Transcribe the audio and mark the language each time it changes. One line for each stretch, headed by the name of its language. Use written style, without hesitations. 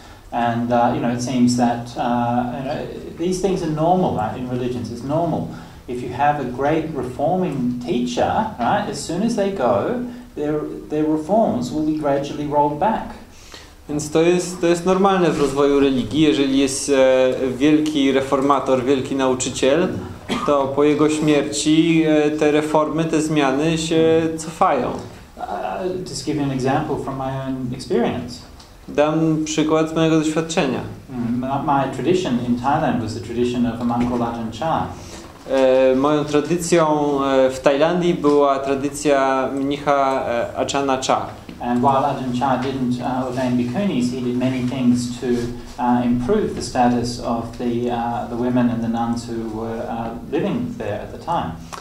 English: And you know, it seems that these things are normal, right? In religions, it's normal. If you have a great reforming teacher, right? As soon as they go, their reforms will be gradually rolled back.
Polish: Więc to jest normalne w rozwoju religii, jeżeli jest wielki reformator, wielki nauczyciel, to po jego śmierci te reformy, te zmiany się cofają.
English: Just give you an example from my own experience.
Polish: Dam przykład z mojego doświadczenia.
English: My tradition in Thailand was the tradition of a monk called Ajahn Chah.
Polish: Moją tradycją w Tajlandii była tradycja mnicha Ajahna Chah.
English: And while Ajahn Chah didn't ordain bhikkhunis, he did many things to improve the status of the women and the nuns who were living there at the time.